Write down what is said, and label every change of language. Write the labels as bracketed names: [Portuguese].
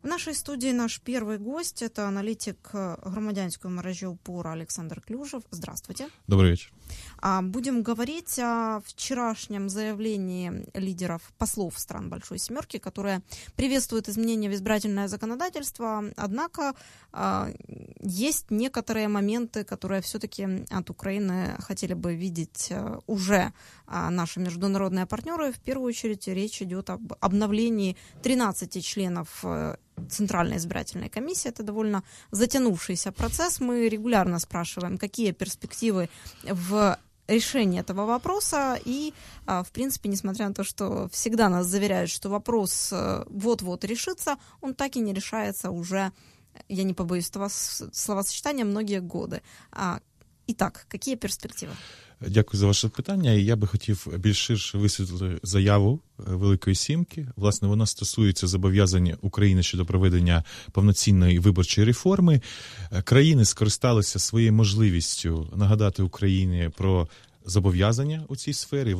[Ukrainian] нашій студії наш перший [Russian] гость [Ukrainian] – це аналітик громадянської мережі «Опора» Олександр Клюжев. [Russian] Здравствуйте. [Ukrainian] Добрий вечір. [Russian] Будем говорить о вчерашнем заявлении лидеров послов стран Большой Семерки, которые приветствуют изменения в избирательное законодательство. Однако есть некоторые моменты, которые все-таки от Украины хотели бы видеть уже наши международные партнеры. В первую очередь речь идет об обновлении 13 членов Центральной избирательной комиссии. Это довольно затянувшийся процесс. Мы регулярно спрашиваем, какие перспективы в решении этого вопроса. И, в принципе, несмотря на то, что всегда нас заверяют, что вопрос вот-вот решится, он так и не решается уже, я не побоюсь этого словосочетания, многие годы. Итак, какие перспективы? [Ukrainian] Дякую за ваше питання. Я би хотів більш ширше висвітлити заяву Великої Сімки. Власне, вона стосується зобов'язань України щодо проведення повноцінної виборчої реформи. Країни скористалися своєю можливістю нагадати Україні про зобов'язання у цій сфері.